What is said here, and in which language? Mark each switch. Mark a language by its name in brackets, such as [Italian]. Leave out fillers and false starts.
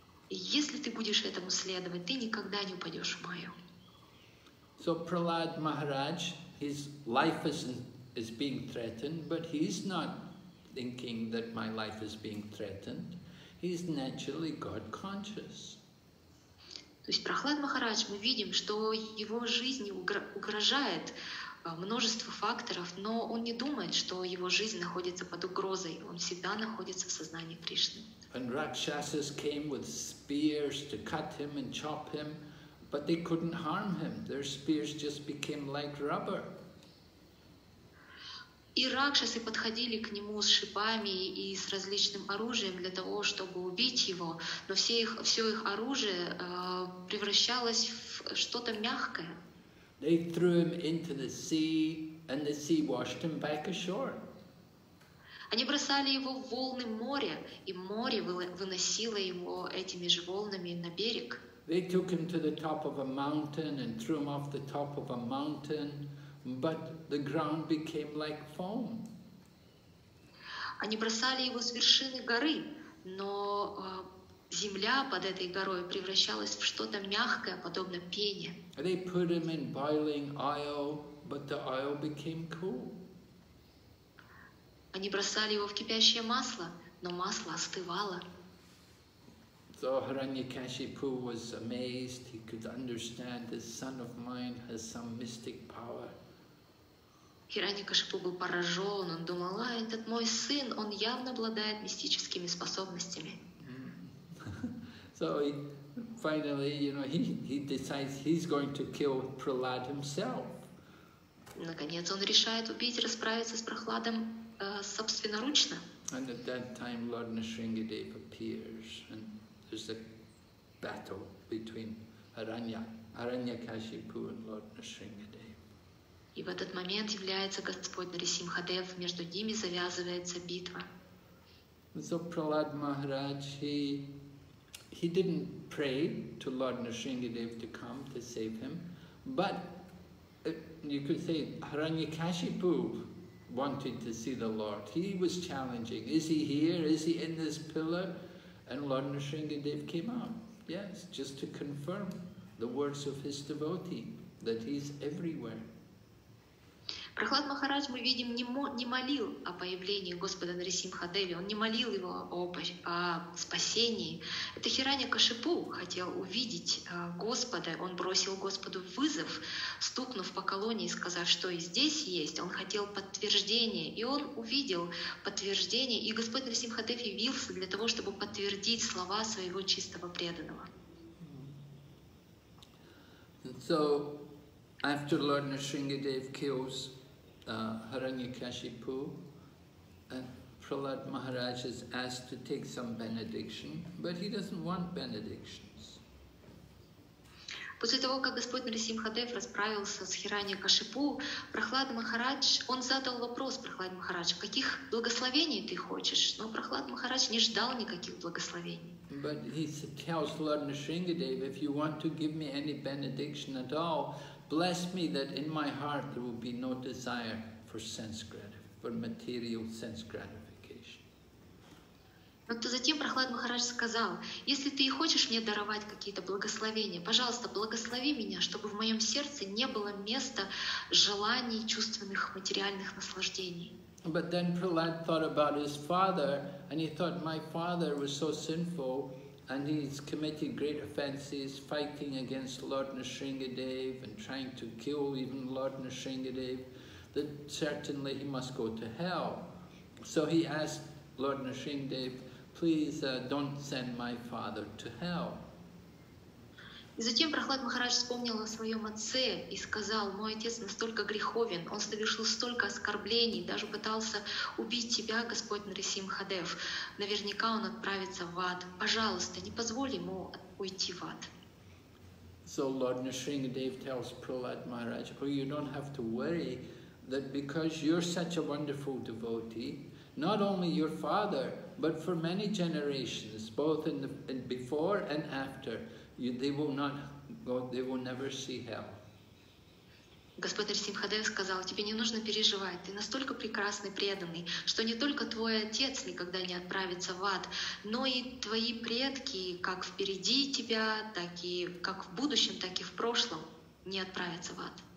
[Russian] И если ты будешь этому следовать, ты никогда не упадешь в Майю. [English] So Prahlad Maharaj, his life is being threatened, but he's not thinking that my life is being threatened. He's naturally God conscious. [Russian] То есть Прохлад Махарадж, мы видим, что его жизни угрожает множество факторов, но он не думает, что его жизнь находится под угрозой. Он всегда находится в сознании Кришны. [English] And Rakshasas came with spears to cut him and chop him, but they couldn't harm him. Their spears just became like rubber. [Russian] И ракшасы подходили к нему с шипами и с различным оружием для того, чтобы убить его, но все их оружие превращалось в что-то мягкое. [English] They threw him into the sea, and the sea washed him back ashore. [Russian] Они бросали его в волны моря, и море выносило его этими же волнами на берег. [English] They took him to the top of a mountain and threw him off the top of a mountain. But the ground became like foam. [Russian] Они бросали его с вершины горы, но земля под этой горой превращалась в что-то мягкое, подобно пене. [English] They put him in boiling oil, but the oil became cool. [Russian] Они бросали его в кипящее масло, но масло остывало. [English] So Hiranyakashipu was amazed. He could understand, this son of mine has some mystic power. [Russian] Хираньякашипу был поражен, он думал: «А, этот мой сын, он явно обладает мистическими способностями». [English] So he, finally, you know, he decides he's going to kill Prahlad himself. [Russian] Наконец он решает убить, расправиться с Прохладом собственноручно. [English] And at that time Lord Nrisimhadev appears, and there's a battle between Hiranyakashipu and Lord Nrisimhadev. [Russian] И в этот момент является Господь Нарисимхадев, между ними завязывается битва. [English] So Prahlad Maharaj, he didn't pray to Lord Nrisimhadev to come to save him, but you could say Hiranyakashipu wanted to see the Lord. He was challenging, is he here, is he in this pillar? And Lord Nrisimhadev came out, yes, just to confirm the words of his devotee, that he's everywhere. [Russian] Прохлад Махарадж, мы видим, не молил о появлении Господа Нарисимхадеве, он не молил его о спасении. Это Хираньякашипу хотел увидеть Господа, он бросил Господу вызов, стукнув по колонии, сказав, что и здесь есть. Он хотел подтверждения, и он увидел подтверждение, и Господь Нарисимхадев явился для того, чтобы подтвердить слова своего чистого преданного. [English] So, after Lord Narsingadev kills Hiranyakashipu, Prahlad Maharaj is asked to take some benediction, but he doesn't want benedictions. [Russian] После того, как Господь Нарисимхадев расправился с Хиранья-Кашипу, Прахлад Махарадж, он задал вопрос Прахлад Махарадж, каких благословений ты хочешь? Но Прахлад Махарадж не ждал никаких благословений. [English] But he tells Lord Narsingadev, if you want to give me any benediction at all, bless me that in my heart there will be no desire for sense gratification, for material sense gratification. [Russian] Но то затем Прахлад Махарадж сказал, если ты хочешь мне даровать какие-то благословения, пожалуйста, благослови меня, чтобы в моем сердце не было места желаний, чувственных, материальных наслаждений. [English] But then Prahlad thought about his father, and he thought, my father was so sinful, and he's committed great offenses, fighting against Lord Narsingadev and trying to kill even Lord Narsingadev, that certainly he must go to hell. So he asked Lord Narsingadev, please don't send my father to hell. [Russian] И затем Прахлад Махарадж вспомнил о своем отце и сказал, мой отец настолько греховен, он совершил столько оскорблений, даже пытался убить тебя, Господь Нарисимхадев. Наверняка он отправится в ад. Пожалуйста, не позволь ему уйти в ад. [English] So Lord Narsingadev tells Prahlad Maharaj, oh, you don't have to worry that because you're such a wonderful devotee, not only your father, but for many generations, both in before and after, they will never see hell. [Russian] Господь Нарисимхадев сказал, тебе не нужно переживать, ты настолько прекрасный преданный, что не только твой отец никогда не отправится в ад, но и твои предки, как впереди тебя, так и как в будущем, так и в прошлом, не отправятся в ад.